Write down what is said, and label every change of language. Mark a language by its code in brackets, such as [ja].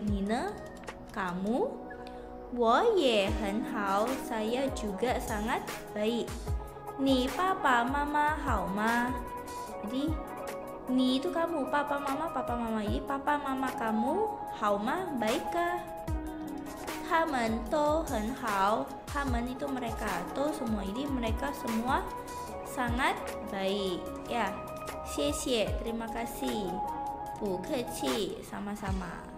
[zh] 你呢? [id] Kamu? [zh] 我也很好, [id] saya juga sangat baik. [zh] 你爸爸妈妈好吗? [id] Jadi, 你 itu kamu, papa mama, papa mama. Jadi, papa mama kamu, [zh] 好吗? [id] Baikkah? [zh] 他们都很好, 他们 [id] itu mereka, [zh] 都 [id] semua. Jadi, mereka semua sangat baik. Ya, [zh] 谢谢, [id] terima kasih. [zh] 不客气, [id] sama-sama.